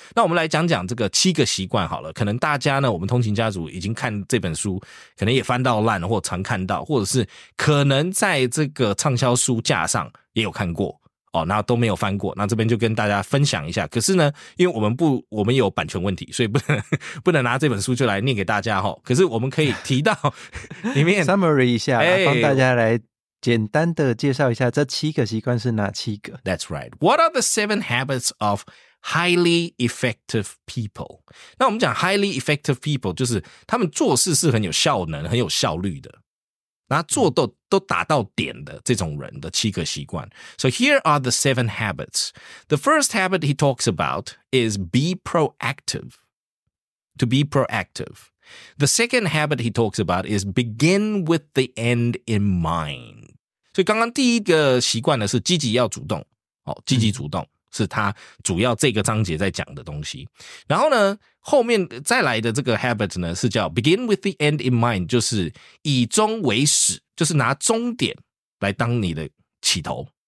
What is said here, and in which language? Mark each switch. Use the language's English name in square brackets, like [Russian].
[Chinese] 那我们来讲讲这个七个习惯好了，可能大家呢，我们通勤家族已经看这本书，可能也翻到烂了，或常看到，或者是可能在这个畅销书架上也有看过哦，那都没有翻过，那这边就跟大家分享一下。可是呢，因为我们有版权问题，所以不能拿这本书就来念给大家哦，可是我们可以提到里面 summary 一下、帮大家来简单的介绍一下这七个习惯是哪七个。 [English] That's right. What are the seven habits of highly effective people? [Chinese] 那我们讲 [English] highly effective people [Chinese] 就是他们做事是很有效能，很有效率的，然后做都达到点的这种人的七个习惯。 [English] So here are the seven habits. The first habit he talks about is be proactive. To be proactive. The second habit he talks about is begin with the end in mind. [Chinese] 所以刚刚第一个习惯呢是积极要主动、积极主动是他主要这个章节在讲的东西。然后呢后面再来的这个 habit 呢是叫 [English] begin with the end in mind， [Chinese] 就是以终为始，就是拿终点来当你的起头，